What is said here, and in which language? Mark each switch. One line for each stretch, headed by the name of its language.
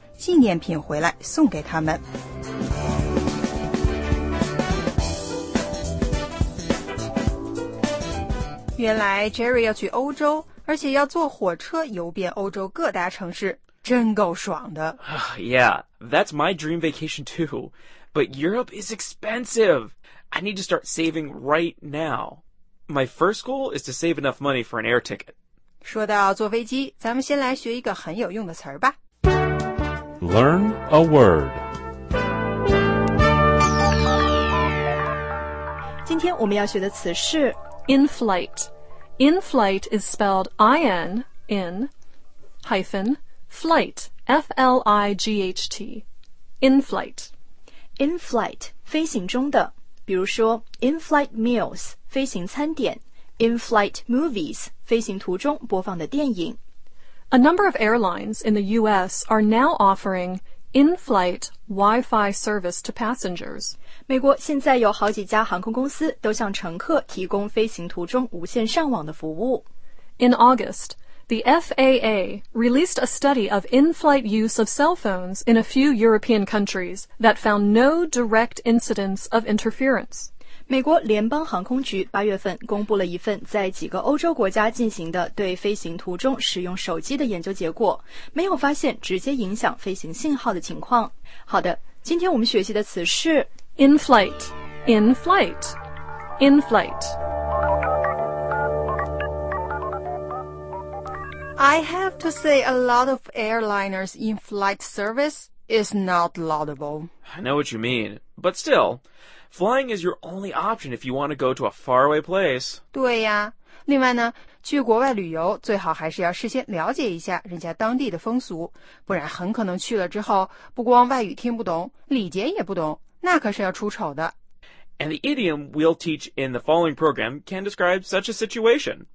Chinese: 纪念品回来送给他们。原来 Jerry 要去欧洲，而且要坐火车游遍欧洲各大城市，真够爽的。
English: Yeah, that's my dream vacation too. But Europe is expensive. I need to start saving right now. My first goal is to save enough money for an air ticket.
Chinese: 说到坐飞机，咱们先来学一个很有用的词儿吧。
English: Learn a word.
Chinese: 今天我们要学的词是
English: in flight. In flight is spelled I-N, in, hyphen, flight, F-L-I-G-H-T. In flight.
Chinese: In flight, 飞行中的。比如说
English: in flight meals,
Chinese: 飞行餐点
English: in flight movies,
Chinese: 飞行途中播放的电影。
English: A number of airlines in the U.S. are now offering in-flight Wi-Fi service to passengers.
Chinese: 美国现在有好几家航空公司都向乘客提供飞行途中无线上网的服务。
English: In August, the FAA released a study of in-flight use of cell phones in a few European countries that found no direct incidents of interference.
Chinese: 美国联邦航空局8月份公布了一份在几个欧洲国家进行的对飞行途中使用手机的研究结果，没有发现直接影响飞行信号的情况。好的，今天我们学习的词是
English: in flight, in flight, in flight. I have to say a lot of airliners in flight service is not laudable. I know what you mean, but still... Flying is your only option if you want to go to a faraway place.
Chinese: 对呀，另外呢，去国外旅游最好还是要事先了解一下人家当地的风俗，不然很可能去了之后，不光外语听不懂，礼节也不懂，那可是要出丑的。
English: And the idiom we'll teach in the following program can describe such a situation.